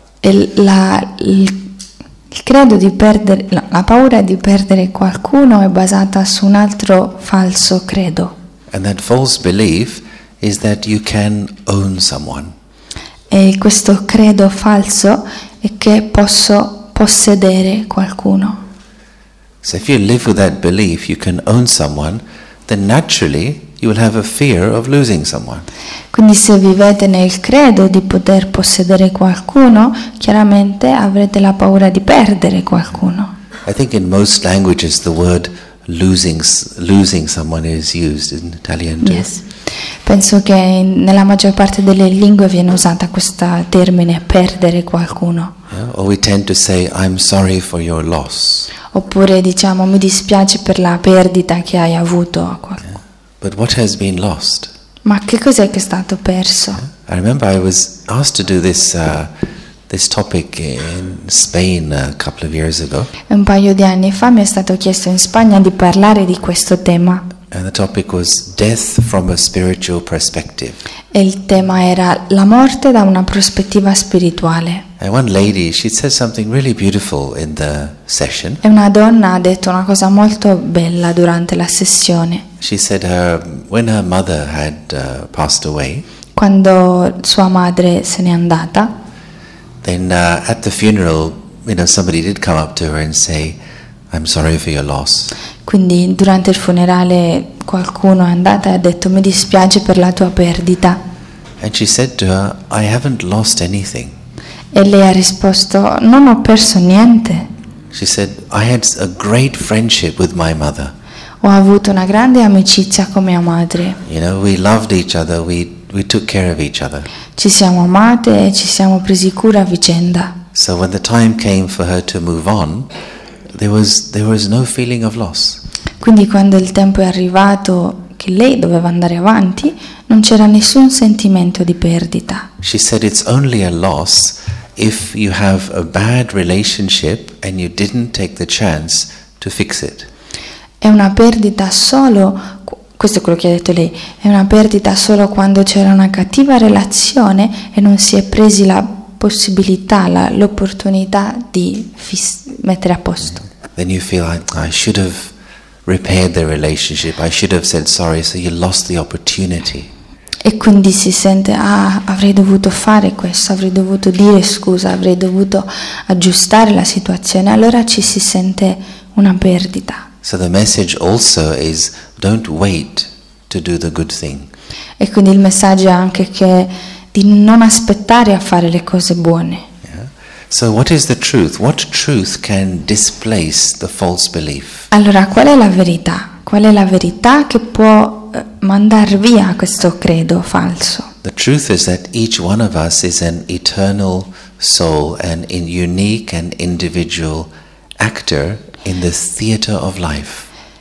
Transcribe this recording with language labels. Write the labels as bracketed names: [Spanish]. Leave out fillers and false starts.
[Italian] Il credo di perdere, no, la paura di perdere qualcuno è basata su un altro falso credo. [English] And that false belief is that you can own someone. [Italian] E questo credo falso è che posso possedere qualcuno. [English] So if you live with that belief, you can own someone, then naturally you will have a fear of losing someone. [Italian] Quindi se vivete nel credo di poter possedere qualcuno, chiaramente avrete la paura di perdere qualcuno. [English] I think in most languages the word losing someone is used in Italian too. Yes. [Italian] Penso che nella maggior parte delle lingue viene usata questo termine perdere qualcuno. [English] Yeah, or we tend to say I'm sorry for your loss. [Italian] Oppure diciamo mi dispiace per la perdita che hai avuto a qualcuno. [English] Yeah. But what has been lost? [Italian] Ma che cos'è che è stato perso? [English] Yeah. I remember I was asked to do this this topic in Spain a couple of years ago. [Italian] Un paio di anni fa mi è stato chiesto in Spagna di parlare di questo tema. [English] And the topic was death from a spiritual perspective. [Italian] E il tema era la morte da una prospettiva spirituale. [English] And one lady, she said something really beautiful in the session. [Italian] E una donna ha detto una cosa molto bella durante la sessione. [English] She said when her mother had passed away. [Italian] Quando sua madre se n'è andata. [English] Then at the funeral, you know, somebody did come up to her and say, "I'm sorry for your loss." [Italian] Quindi durante il funerale qualcuno è andato e ha detto mi dispiace per la tua perdita. [English] And she said to her, "I haven't lost anything." [Italian] E lei ha risposto non ho perso niente. [English] She said, "I had a great friendship with my mother." [Italian] Ho avuto una grande amicizia con mia madre. [English] You know, we loved each other. We took care of each other. [Italian] Ci siamo amate e ci siamo presi cura a vicenda. [English] So when the time came for her to move on, there was no feeling of loss. [Italian] Quindi quando il tempo è arrivato che lei doveva andare avanti, non c'era nessun sentimento di perdita. [English] She said it's only a loss if you have a bad relationship and you didn't take the chance to fix it. [Italian] È una perdita solo, questo è quello che ha detto lei, è una perdita solo quando c'era una cattiva relazione e non si è presi la possibilità, l'opportunità di mettere a posto. [English] Then you feel like I should have repaired the relationship, I should have said sorry, so you lost the opportunity. [Italian] E quindi si sente, ah, avrei dovuto fare questo, avrei dovuto dire scusa, avrei dovuto aggiustare la situazione. Allora ci si sente una perdita. [English] So the message also is, don't wait to do the good thing. [Italian] E quindi il messaggio è anche che di non aspettare a fare le cose buone. [English] So what is the truth? What truth can displace the false belief? [Italian] Allora, qual è la verità? Qual è la verità che può mandar via questo credo falso? [English] The truth is that each one of us is an eternal soul, an unique and individual actor in the theater of life.